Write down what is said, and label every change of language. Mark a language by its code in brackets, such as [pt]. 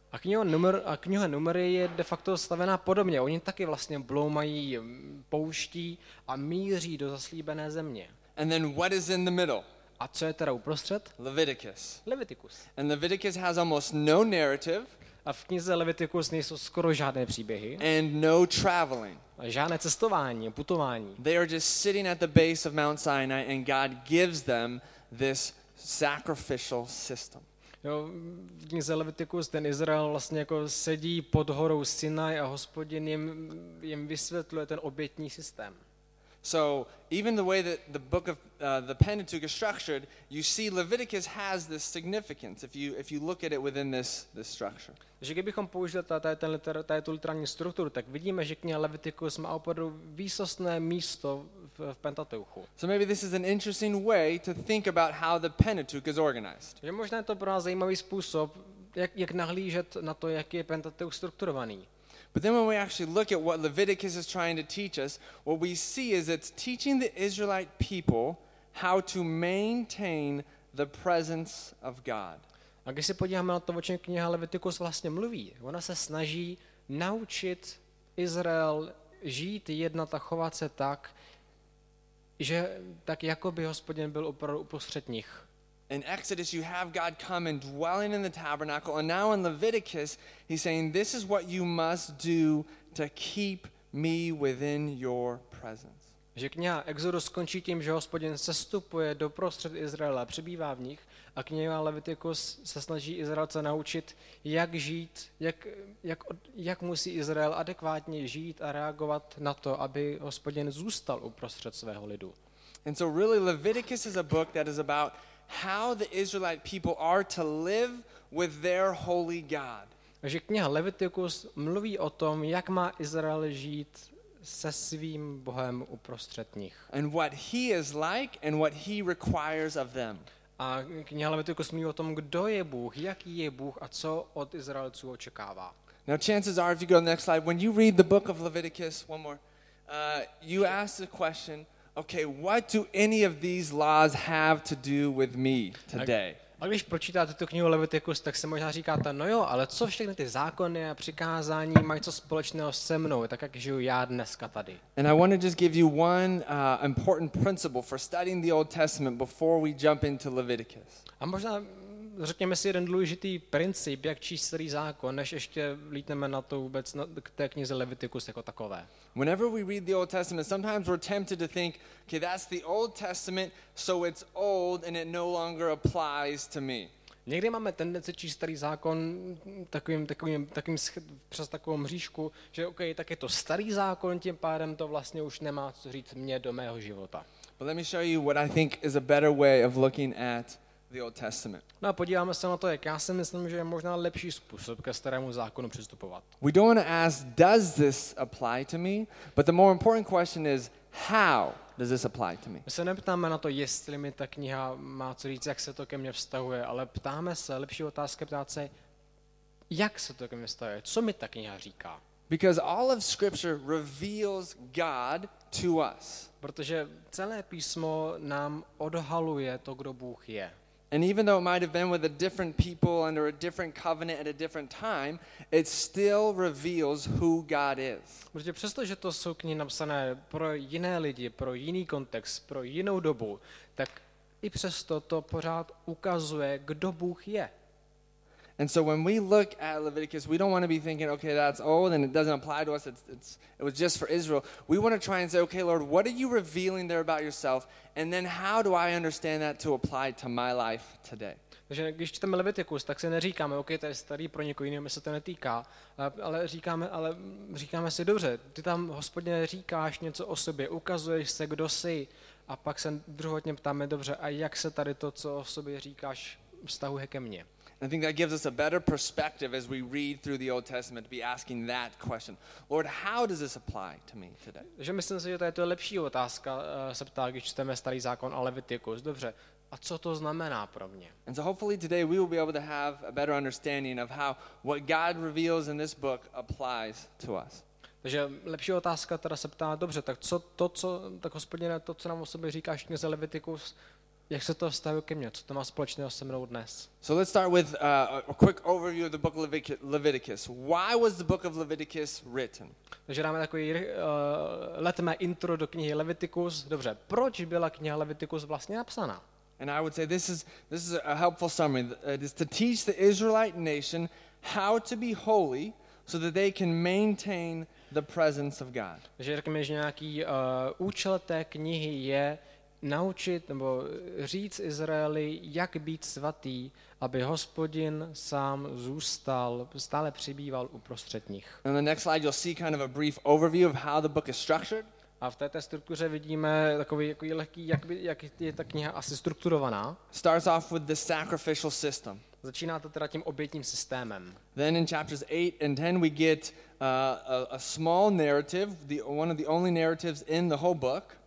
[cs] A kniha Numery je de facto stavená podobně. Oni taky vlastně bloumají pouští a míří do zaslíbené země. [en] And then what is in the middle? [cs] A co je teda uprostřed? [en] Leviticus. [cs] Leviticus. [en] And Leviticus has almost no narrative. [cs] A v knize Leviticus nejsou skoro žádné příběhy. [en] And no traveling. [cs] A žádné cestování, putování. [en] They are just sitting at the base of Mount Sinai and God gives them this sacrificial system. [cs] Jo, v knize Leviticus ten Izrael vlastně jako sedí pod horou Sinaj a Hospodin jim vysvětluje ten obětní systém. [en] So even the way that the book of the Pentateuch is structured, you see Leviticus has this significance if you look at it within this structure. [cs] Takže kdybychom použili tu literární strukturu, tak vidíme, že kniha Leviticus má opravdu výsostné místo v Pentateuchu. [en] So maybe this is an interesting way to think about how the Pentateuch is organized. [cs] Je možná to pro nás zajímavý způsob, jak nahlížet na to, jak je Pentateuch strukturovaný. [en] But then when we actually look at what Leviticus is trying to teach us, what we see is it's teaching the Israelite people how to maintain the presence of God. [cs] A když se podíváme na to, o čem kniha Leviticus vlastně mluví, ona se snaží naučit Izrael žít, jednat a chovat se tak, že tak jako by Hospodin byl opravdu uprostřed nich. [en] In Exodus you have God come and dwelling in the tabernacle, and now in Leviticus he's saying this is what you must do to keep me within your presence. [cs] Že kniha Exodus skončí tím, že Hospodin sestupuje do prostřed Izraela, přebývá v nich, a kniha Leviticus se snaží Izraelce naučit, jak žít, jak musí Izrael adekvátně žít a reagovat na to, aby Hospodin zůstal uprostřed svého lidu. [en] And so really Leviticus is a book that is about how the Israelite people are to live with their holy God. [cs] Takže kniha Leviticus mluví o tom, jak má Izrael žít se svým Bohem uprostřed nich. [en] And what he is like and what he requires of them. [cs] A kniha Leviticus mluví o tom, kdo je Bůh, jaký je Bůh a co od Izraelců očekává. [en] Now chances are, if you go to the next slide, when you read the book of Leviticus, one more, you ask the question, okay, what do any of these laws have to do with me today? [cs] A když pročítáte tu knihu Leviticus, tak se možná říkáte, no jo, ale co všechny ty zákony a přikázání mají co společného se mnou, tak jak žiju já dneska tady. [en] And I want to just give you one important principle for studying the Old Testament before we jump into Leviticus. [cs] A možná řekněme si jeden důležitý princip, jak číst starý zákon, než ještě lítneme na to vůbec k té knize Leviticus jako takové. [en] Whenever we read the Old Testament, sometimes we're tempted to think, okay, that's the Old Testament, so it's old and it no longer applies to me. [cs] Někdy máme tendenci číst starý zákon takovým přes takovou mřížku, že okay, tak je to starý zákon, tím pádem to vlastně už nemá co říct mě do mého života. [en] But let me show you what I think is a better way of looking at the Old Testament. [cs] No, podíváme se na to, jak já si myslím, že je možná lepší způsob ke starému zákonu přistupovat. [en] We don't want to ask, does this apply to me? But the more important question is, how does this apply to me? [cs] My se neptáme na to, jestli mi ta kniha má co říct, jak se to ke mně vztahuje, ale ptáme se, lepší otázka ptát se, jak se to ke mně vztahuje, co mi ta kniha říká? [en] Because all of Scripture reveals God to us. [cs] Protože celé písmo nám odhaluje to, kdo Bůh je. [en] And even though it might have been with a different people under a different covenant at a different time, it still reveals who God is. [cs] Protože přesto, že to jsou knihy napsané pro jiné lidi, pro jiný kontext, pro jinou dobu, tak i přesto to pořád ukazuje, kdo Bůh je. [en] And so when we look at Leviticus, we don't want to be thinking, okay, that's old and it doesn't apply to us. It was just for Israel. We want to try and say, okay, Lord, what are you revealing there about yourself? And then how do I understand that to apply to my life today? [cs] Takže když čteme Leviticus, tak si neříkáme, okay, to je starý pro někoho jiného, mi se to netýká, ale říkáme si, dobře, ty tam, Hospodine, říkáš něco o sobě, ukazuješ se, kdo jsi, a pak se druhotně ptáme, dobře, a jak se tady to, co o sobě říkáš, vztahuje ke mně? [en] I think that gives us a better perspective as we read through the Old Testament to be asking that question. Lord, how does this apply to me today? [cs] Že myslím si, že to je to lepší otázka se ptá, když čteme starý zákon a Levitikus. Dobře, a co to znamená pro mě? [en] And so hopefully today we will be able to have a better understanding of how what God reveals in this book applies to us. [cs] Takže lepší otázka teda se ptá, dobře, tak co to, co tak Hospodine, to, co nám o sobě říkáš knize Levitikus, jak se to vztahuje ke mně? Co to má společného se mnou dnes? [en] So let's start with a quick overview of the book of Leviticus. Why was the book of Leviticus written? [cs] Takže dáme takový letmé intro do knihy Leviticus. Dobře, proč byla kniha Leviticus vlastně napsaná? [en] And I would say this is a helpful summary. It is to teach the Israelite nation how to be holy so that they can maintain the presence of God. [cs] Takže řekněme, že nějaký účel té knihy je naučit nebo říct Izraeli, jak být svatý, aby Hospodin sám zůstal, stále přibýval uprostřed nich. [en] And the next slide you'll see kind of a brief overview of how the book is structured. [cs] A v té struktuře vidíme takový jako lehký, jak je ta kniha asi strukturovaná. [en] Starts off with the sacrificial system. [cs] Začíná to teda tím obětním systémem. [en] Then in chapters 8 and 10 we get a small narrative, one of the only narratives in the whole book.